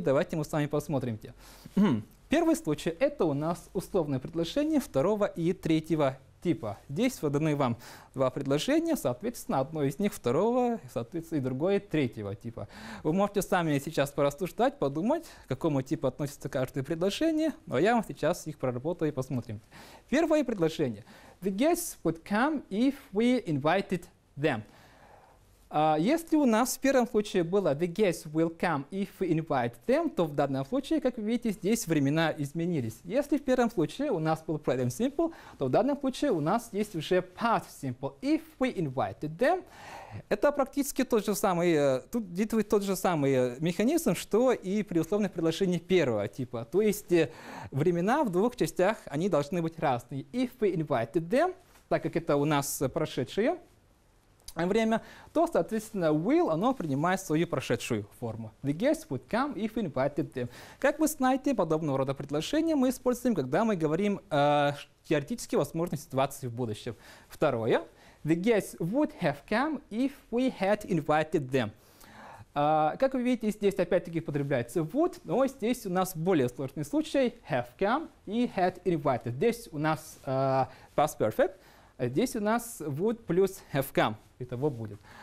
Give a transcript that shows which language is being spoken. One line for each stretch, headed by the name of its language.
Russian: Давайте мы с вами посмотрим. Первый случай — это у нас условное предложение второго и третьего типа. Здесь выданы вам два предложения, соответственно, одно из них второго, соответственно, и другое третьего типа. Вы можете сами сейчас порассуждать, подумать, к какому типу относится каждое предложение, но я вам сейчас их проработаю и посмотрим. Первое предложение.
English: The guests would come if we invited them.
Russian: Если у нас в первом случае было
English: «the guests will come if we invite them»,
Russian: то в данном случае, как вы видите, здесь времена изменились. Если в первом случае у нас был present simple, то в данном случае у нас есть уже past simple
English: «if we invited them».
Russian: Это практически тот же самый, тут действует тот же самый механизм, что и при условных предложениях первого типа. То есть времена в двух частях, они должны быть разные.
English: «If we invited them»,
Russian: так как это у нас прошедшие, время, то, соответственно, will, оно принимает свою прошедшую форму.
English: The guests would come if invited them.
Russian: Как вы знаете, подобного рода предложения мы используем, когда мы говорим о теоретически возможной ситуации в будущем.
English: Второе. The guests would have come if we had invited them.
Russian: Как вы видите, здесь опять-таки употребляется would, но здесь у нас более сложный случай – have come и had invited. Здесь у нас past perfect, здесь у нас would плюс have come. Итого будет.